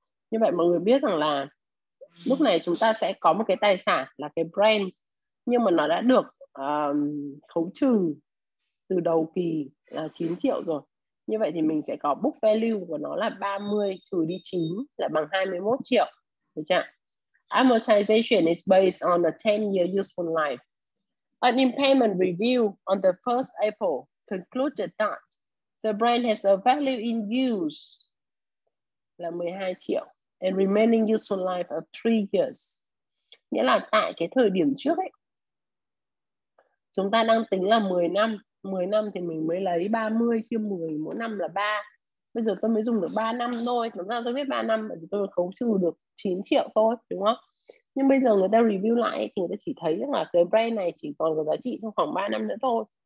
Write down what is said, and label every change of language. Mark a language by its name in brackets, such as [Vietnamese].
[Vietnamese] Như vậy mọi người biết rằng là lúc này chúng ta sẽ có một cái tài sản là cái brand, nhưng mà nó đã được khấu trừ từ đầu kỳ là 9 triệu rồi. Như vậy thì mình sẽ có book value của nó là 30 trừ đi 9 là bằng 21 triệu. Được chưa? [English] Amortization is based on a 10 year useful life. An impairment review on the first April concluded that the brand has a value in use [Vietnamese] là 12 triệu [English] and remaining useful life of 3 years. [Vietnamese] Nghĩa là tại cái thời điểm trước ấy, chúng ta đang tính là 10 năm. 10 năm thì mình mới lấy 30 chia 10, mỗi năm là 3. Bây giờ tôi mới dùng được 3 năm thôi. Thật ra tôi biết 3 năm thì tôi khấu trừ được 9 triệu thôi, đúng không? Nhưng bây giờ người ta review lại thì người ta chỉ thấy là cái brand này chỉ còn có giá trị trong khoảng 3 năm nữa thôi.